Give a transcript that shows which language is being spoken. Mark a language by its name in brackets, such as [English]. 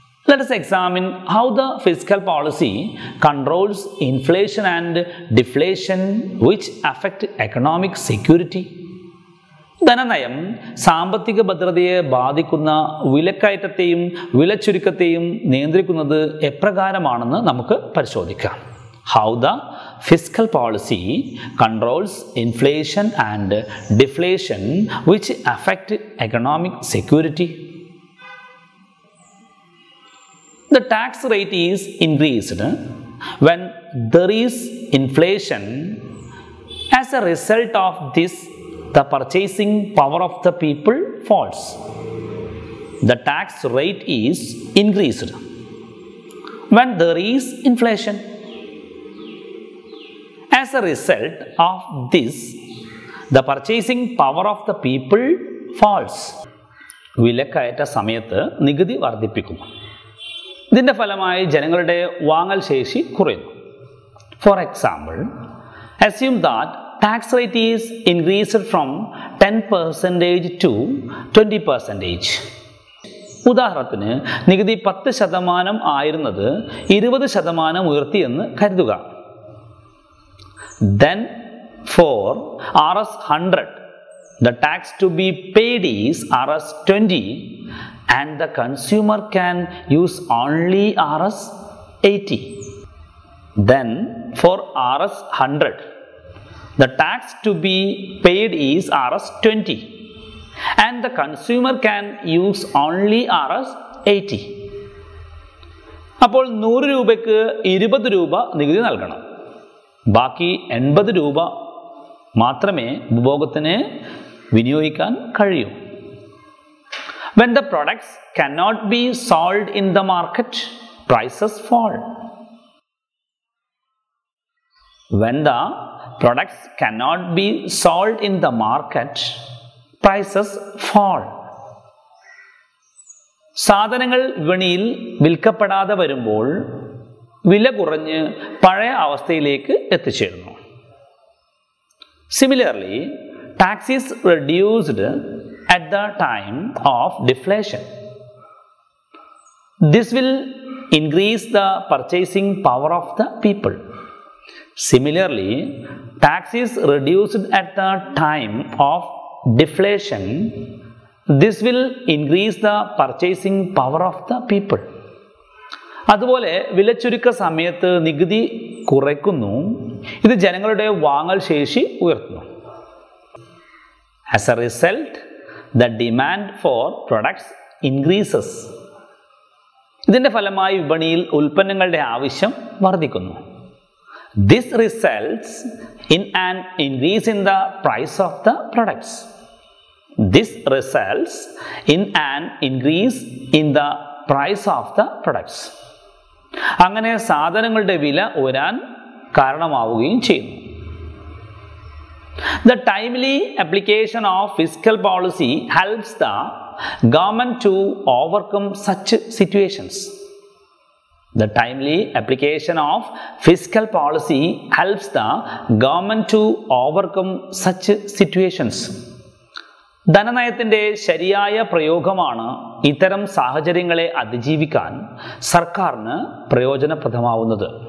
[English] Let us examine how the fiscal policy controls inflation and deflation which affect economic security. [Malayalam] ധനനയം സാമ്പത്തിക ഭദ്രതയെ ബാധിക്കുന്ന വിലക്കയറ്റത്തെയും വിലച്ചുരുക്കത്തെയും നിയന്ത്രിക്കുന്നത് എപ്രകാരമാണെന്ന് നമുക്ക് പരിശോധിക്കാം. [English] How the fiscal policy controls inflation and deflation which affect economic security. The tax rate is increased when there is inflation. As a result of this, the purchasing power of the people falls. The tax rate is increased when there is inflation. As a result of this, the purchasing power of the people falls. [Malayalam] വിലക്കയറ്റ സമയത്ത് നികുതി വർദ്ധിപ്പിക്കുന്നു. ഇതിൻ്റെ ഫലമായി ജനങ്ങളുടെ വാങ്ങൽ ശേഷി കുറയുന്നു. [English] For example assume that tax rate is increased from 10% to 20%. [Malayalam] ഉദാഹരണത്തിന് നികുതി 10% ആയിരുന്നത് 20% ഉയർത്തിയെന്ന് കരുതുക. [English] Then for RS 100 the tax to be paid is RS 20 and the consumer can use only RS 80. Then for RS 100, the tax to be paid is RS 20 and the consumer can use only RS 80. [Malayalam] അപ്പോൾ 100 രൂപയ്ക്ക് 20 രൂപ നികുതി നൽകണം. ബാക്കി 80 രൂപ മാത്രമേ ഉപഭോഗത്തിന് വിനിയോഗിക്കാൻ കഴിയൂ. [English] When the products cannot be sold in the market, prices fall. When the products cannot be sold in the market, prices fall. [Malayalam] സാധനങ്ങൾ വിപണിയിൽ വിൽക്കപ്പെടാതെ വരുമ്പോൾ വില കുറഞ്ഞ് പഴയ അവസ്ഥയിലേക്ക് എത്തിച്ചേരുന്നു. [English] Similarly, taxes reduced at the time of deflation. This will increase the purchasing power of the people. Similarly, taxes reduced at the time of deflation. This will increase the purchasing power of the people. [Malayalam] അതുപോലെ വിലച്ചുരുക്ക സമയത്ത് നികുതി കുറയ്ക്കുന്നു. ഇത് ജനങ്ങളുടെ വാങ്ങൽ ശേഷി ഉയർത്തുന്നു. [English] As a result, the demand for products increases. [Malayalam] ഇതിൻ്റെ ഫലമായി വിപണിയിൽ ഉൽപ്പന്നങ്ങളുടെ ആവശ്യം വർദ്ധിക്കുന്നു. [English] This results in an increase in the price of the products. This results in an increase in the price of the products. [Malayalam] അങ്ങനെ സാധനങ്ങളുടെ വില ഉയരാൻ കാരണമാവുകയും ചെയ്യുന്നു. [English] The timely application of fiscal policy helps the government to overcome such situations. The timely application of fiscal policy helps the government to overcome such situations. [Malayalam] ധനനയത്തിൻ്റെ ശരിയായ പ്രയോഗമാണ് ഇത്തരം സാഹചര്യങ്ങളെ അതിജീവിക്കാൻ സർക്കാരിന് പ്രയോജനപ്രദമാവുന്നത്.